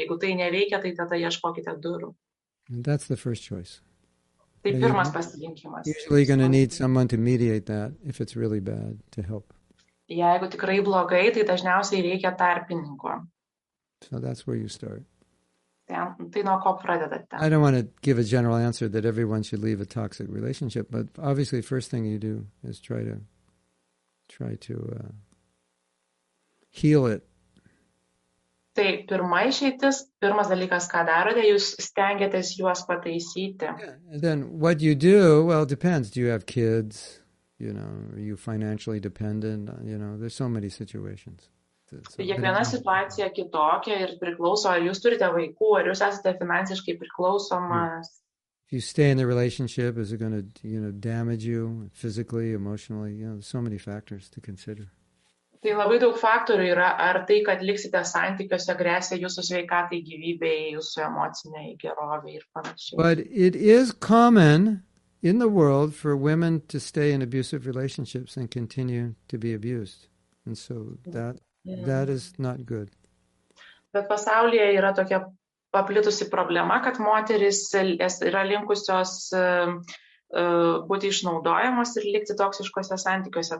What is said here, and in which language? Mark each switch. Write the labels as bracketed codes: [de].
[lt] Jeigu tai neveikia, tai tada ieškokite durų. [en] And that's the first choice. [lt] Tai pirmas pasirinkimas. [en] You're usually going to need someone to mediate that if it's really bad to help. [lt] Jeigu tikrai blogai, tai dažniausiai reikia tarpininko. [en] So that's where you start. [lt] Tai nuo ko pradedate. [en] I don't want to give a general answer that everyone should leave a toxic relationship, but obviously first thing you do is try to heal it. [lt] Tai pirma išeitis, pirmas dalykas, ką darote, jūs stengiatės juos pataisyti. [en] And then what you do, well, it depends. Do you have kids? You know, are you financially dependent? You know, there's so many situations. [lt] Kiekviena situacija kitokia ir priklauso, ar jūs turite vaikų, ar jūs esate finansiškai priklausomas. [en] If you stay in the relationship, is it going to, you know, damage you physically, emotionally? You know, so many factors to consider. [lt] Tai labai daug faktorių yra, ar tai, kad liksite santykiuose, grėsia jūsų sveikatai, gyvybei, jūsų emociniai gerovei ir panašiai. [en] But it is common in the world for women to stay in abusive relationships and continue to be abused. And so that is not good. [lt] Bet pasaulyje yra tokia paplitusi problema, kad moterys yra linkusios būti išnaudojamos ir likti toksiškose santykiuose.